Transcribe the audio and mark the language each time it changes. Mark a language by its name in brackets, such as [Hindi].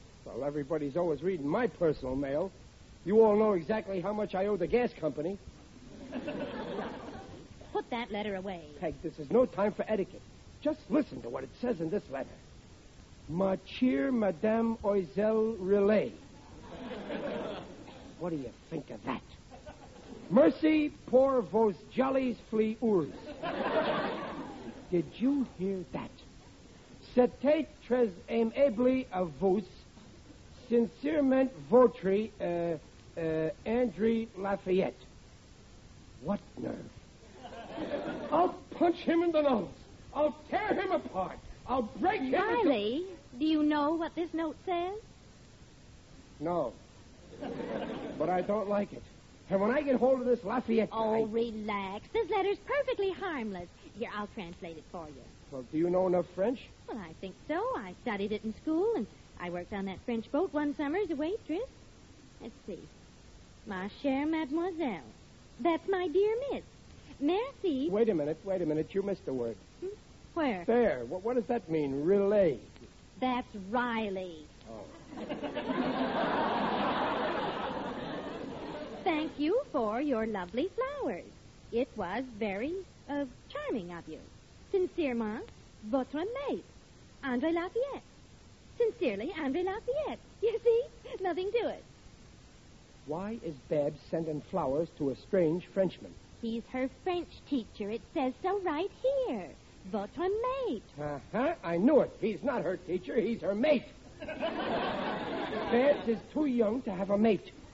[English] Well, everybody's always reading my personal mail. You all know exactly how much I owe the gas company. Put that letter away. Peg, this is no time for etiquette. Just listen to what it says in this letter. [French] Ma chère Madame Oiselle Relay. [English] What do you think of that? [French] Merci pour vos jollies flea ours. [English] Did you hear that? [French] C'était très aimable à vous. Sincèrement, votre André Lafayette. [English] What nerve. I'll punch him in the nose. I'll tear him apart. I'll break him. Riley, do you know what this note says? No. But I don't like it. And when I get hold of this Lafayette guy... Oh, relax. This letter's perfectly harmless. Here, I'll translate it for you. Well, do you know enough French? Well, I think so. I studied it in school, and I worked on that French boat one summer as a waitress. Let's see. [French] Ma chère mademoiselle. [English] That's my dear miss. [French] Merci. [English] Wait a minute. You missed a word. Hmm? Where? There. What does that mean? Relay. That's Riley. Oh. Thank you for your lovely flowers. It was very charming of you. [French] Sincèrement, votre mate, André Lafayette. [English] Sincerely, André Lafayette. You see? Nothing to it. Why is Babs sending flowers to a strange Frenchman? He's her French teacher. It says so right here. [French] Votre mate. [English] Uh-huh. I knew it. He's not her teacher. He's her mate. Babs is too young to have a mate.